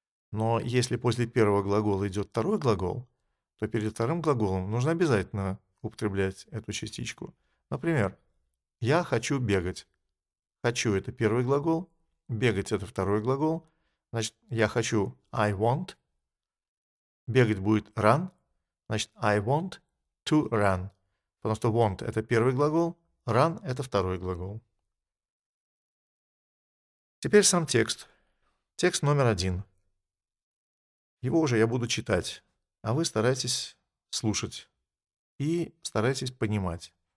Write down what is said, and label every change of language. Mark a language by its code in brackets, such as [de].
[ru] Но если после первого глагола идет второй глагол, то перед вторым глаголом нужно обязательно употреблять эту частичку. Например, я хочу бегать. Хочу — это первый глагол, бегать — это второй глагол. Значит, я хочу — [en] I want. [ru] Бегать будет run. Значит, [en] I want to run. [ru] Потому что want — это первый глагол, run — это второй глагол. Теперь сам текст. Текст номер один. Его уже я буду читать, а вы старайтесь слушать и старайтесь понимать.